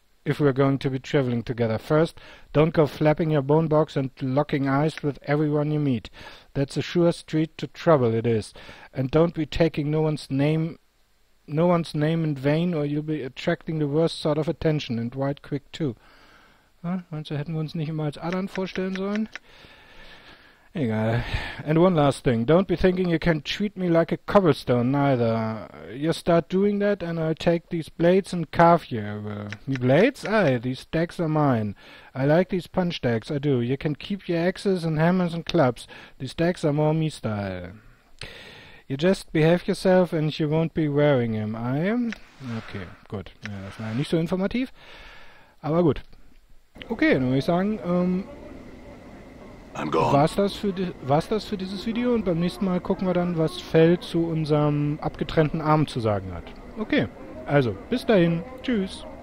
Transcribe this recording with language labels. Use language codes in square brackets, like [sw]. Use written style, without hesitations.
[en] If we're going to be traveling together. First, don't go flapping your bone box and locking eyes with everyone you meet. That's a sure street to trouble, it is. And don't be taking no one's name in vain, or you'll be attracting the worst sort of attention, and right quick too. [de] Meinst du, hätten wir uns nicht immer als Adern vorstellen sollen? Egal. [en] And one last thing. Don't be thinking you can treat me like a cobblestone, neither. You start doing that, and I'll take these blades and carve you over. Me blades? Aye, these dags are mine. I like these punch dags, I do. You can keep your axes and hammers and clubs. These dags are more me style. You just behave yourself, and you won't be wearing them, aye? [de] Okay, gut. Ja, das war nicht so informativ. Aber gut. Okay, dann würde ich sagen, War's das für dieses Video, und beim nächsten Mal gucken wir dann, was Fell zu unserem abgetrennten Arm zu sagen hat. Okay, also bis dahin. Tschüss.